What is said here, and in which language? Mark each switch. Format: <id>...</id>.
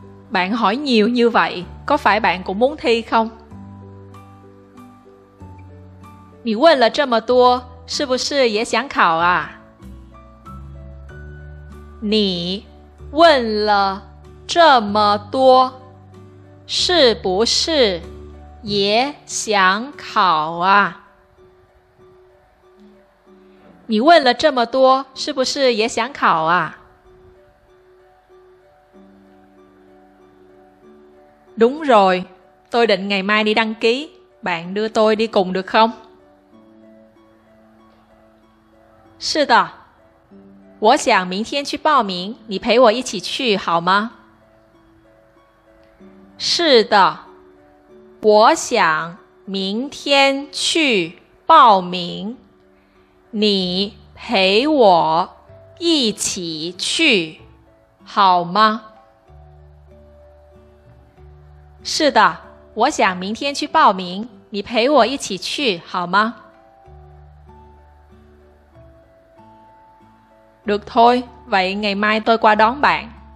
<vi>Bạn hỏi nhiều như vậy, có phải bạn cũng muốn thi không?</vi> <zh>你问了这么多是不是也想考啊？你问了这么多，是不是也想考啊？你问了这么多，是不是也想考啊？</zh> <vi>Đúng rồi, tôi định ngày mai đi đăng ký. Bạn đưa tôi đi cùng được không?</vi> <zh>是的，我想明天去报名，你陪我一起去好吗？是的，我想明天去报名，你陪我一起去好吗？是的，我想明天去报名，你陪我一起去好吗？</zh> <vi>Được thôi, vậy ngày mai tôi qua đón bạn.</vi>